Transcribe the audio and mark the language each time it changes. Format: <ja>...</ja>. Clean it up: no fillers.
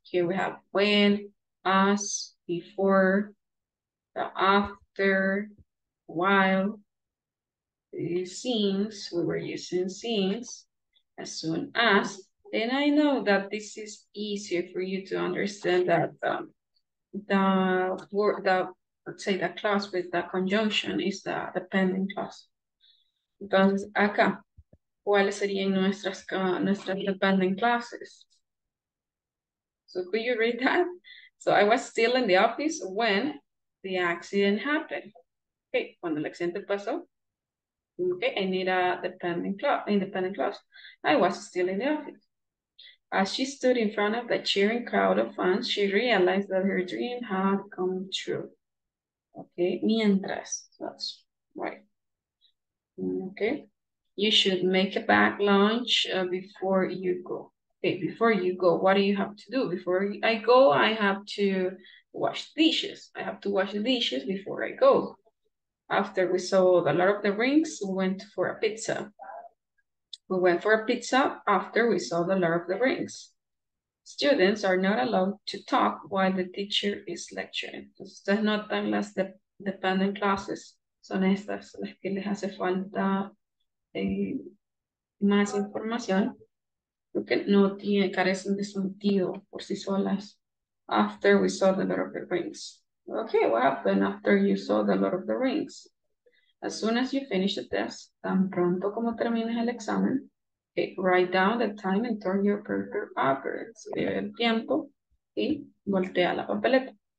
<en>Here we have when, as, before, the after, while, since, we were using since, as soon as, and I know that this is easier for you to understand that the word, the, let's say the clause with the conjunction is the dependent clause.</en> <es>Entonces, acá, ¿cuáles serían nuestras, nuestras</es> <en>dependent clauses? So could you read that? So I was still in the office when the accident happened. Okay,</en> <es>cuando el accidente pasó.</es> <en>Okay, I need a dependent clause, independent clause. I was still in the office. As she stood in front of the cheering crowd of fans, she realized that her dream had come true. Okay,</en> <es>mientras.</es> <en>That's right. Okay. You should make a bag lunch before you go. Okay, before you go, what do you have to do? Before I go, I have to wash dishes. I have to wash the dishes before I go. After we saw the Lord of the Rings, we went for a pizza. We went for a pizza after we saw the Lord of the Rings. Students are not allowed to talk while the teacher is lecturing.</en> <es>Ustedes notan las</es> <en>dependent clases.</en> <es>Son estas las que les hace falta más información. Porque no tiene, carecen de sentido por sí solas.</es> <en>After we saw the Lord of the Rings. Okay, what happened after you saw the Lord of the Rings? As soon as you finish the test,</en> <es>tan pronto como termines el examen,</es> <en>okay, write down the time and turn your paper over.</en> <es>Escribe el tiempo y voltea la papeleta.</es>